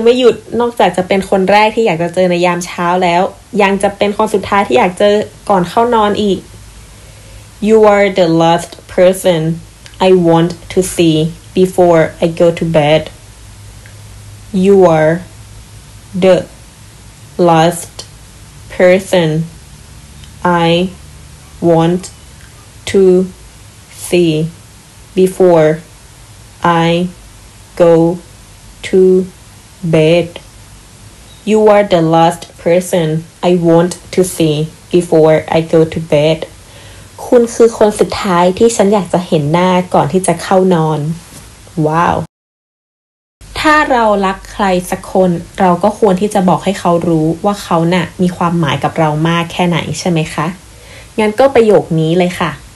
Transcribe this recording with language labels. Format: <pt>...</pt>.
<th>ไม่หยุดนอกจากจะเป็นคนแรกที่อยากจะเจอในยามเช้าแล้วยังจะเป็นคนสุดท้ายที่อยากเจอก่อนเข้านอนอีก</th> <en>You are the last person I want to see before I go to bed. You are the last person I want to see before I go to bed. You are the last person I want to see before I go to bed.</en> <th>คุณคือคนสุดท้ายที่ฉันอยากจะเห็นหน้าก่อนที่จะเข้านอน ว้าว ถ้าเรารักใครสักคนเราก็ควรที่จะบอกให้เขารู้ว่าเขาน่ะมีความหมายกับเรามากแค่ไหนใช่ไหมคะงั้นก็ประโยคนี้เลยค่ะ</th>